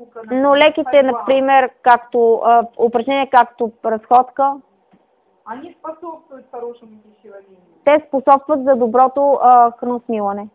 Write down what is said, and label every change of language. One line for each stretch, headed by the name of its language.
Bulgarian: Но леките, например, както упражнения, както разходка,
Russian: они способствуют хорошему пищеварению.
Bulgarian: Те способстват за доброто храносмилане.